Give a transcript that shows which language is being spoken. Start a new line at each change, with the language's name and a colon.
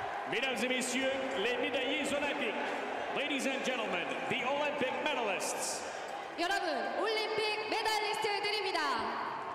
French: Mesdames et messieurs, les médaillés olympiques.
English: Ladies and gentlemen, the Olympic medalists.
Korean: 여러분, 올림픽 메달리스트들입니다.